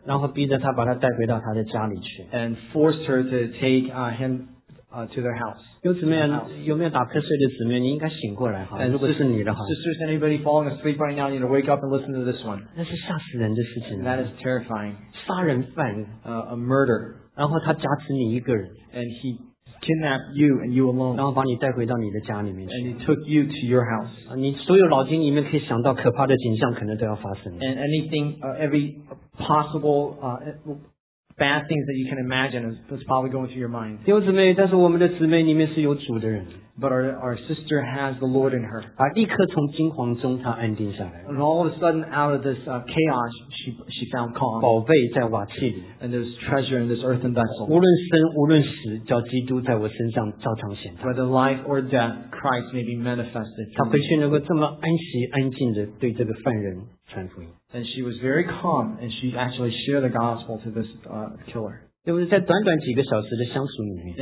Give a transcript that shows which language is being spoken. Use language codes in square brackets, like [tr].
[zh] 然后逼着她把她带回到她的家里去 [en] and forced her to take him to their house. [zh] 有姊妹，有没有打瞌睡的姊妹？你应该醒过来哈。如果是你的话 [en] ，Sisters, anybody falling asleep right now, you need to wake up and listen to this one. [zh] 那是吓死人的事情。 [en] That is terrifying. [zh] 杀人犯 [en] a murder. [zh] 然后他加持你一个人 [en] and he kidnapped you and you alone. [zh] 然后把你带回到你的家里面去 [en] and he took you to your house. [zh] 你所有脑筋里面可以想到可怕的景象，可能都要发生。 [en] And anything, every possible bad things that you can imagine is probably going through your mind. [zh] 弟兄姊妹，但是我们的姊妹里面是有主的人。 [en] But our sister has the Lord in her. [zh] 啊，立刻从惊慌中她安定下来。 [en] And all of a sudden, out of this chaos, she found calm. [zh] 宝贝在瓦器里。 [en] And there's treasure in this earthen vessel. [zh] 无论生无论死，叫基督在我身上照常显大。 [en] Whether life or death, Christ may be manifested. [zh] 她回去能够这么安息安静的对这个犯人传福音。 [en] And she was very calm, and she actually shared the gospel to this killer. [zh] 就是在短短几个小时的相处里面。